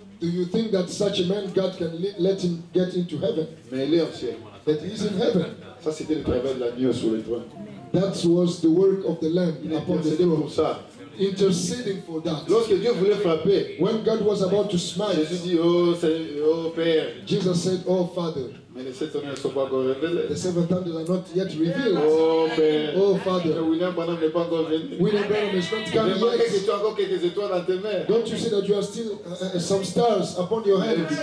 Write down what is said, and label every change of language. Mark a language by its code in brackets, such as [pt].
[en] Do you think that such a man God can let him get into heaven? [fr] Mais il est au ciel. [en] That he is in heaven. [fr] Ça c'était le travail de la nuit sur le trône. [en] That was the work of the Lamb upon the throne. [fr] Pour ça. [en] Interceding for that. [fr] Lorsque Dieu voulait frapper, [en] when God was about to smite, [fr] Jésus dit, oh Père. [en] Jesus said, oh Father. [fr] Mais les sept anges ne sont pas encore révélés. [en] The seventh angel are not yet revealed. [fr] Oh Père. [en] Oh Father. [fr] William Branham n'est pas encore venu. [en] William Branham is not coming yet. [fr] Mais tu as encore quelques étoiles dans tes mains. [en] Don't you see that you are still some stars upon your head?